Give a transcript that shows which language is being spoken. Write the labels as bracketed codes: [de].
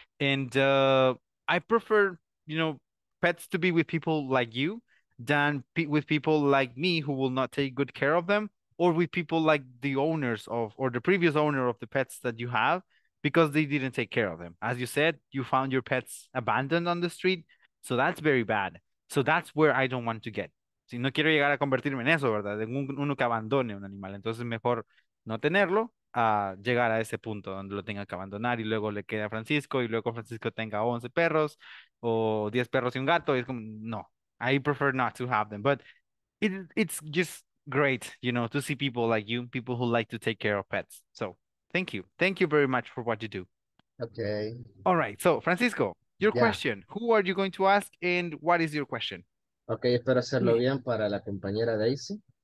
[en] And I prefer, you know, pets to be with people like you than with people like me who will not take good care of them, or with people like the owners of, or the previous owner of the pets that you have, because they didn't take care of them. As you said, you found your pets abandoned on the street. So that's very bad. So that's where I don't want to get. [es] Si no quiero llegar a convertirme en eso, ¿verdad? En uno que abandone un animal. Entonces, mejor no tenerlo a llegar a ese punto donde lo tenga que abandonar y luego le quede a Francisco y luego Francisco tenga 11 perros o 10 perros y un gato. Y es como, no, [en] I prefer not to have them. But it's just great, you know, to see people like you, people who like to take care of pets. So, thank you. Thank you very much for what you do. Okay. All right. So, Francisco, your question. Who are you going to ask and what is your question? [es] Okay, espero hacerlo bien para la compañera Daisy.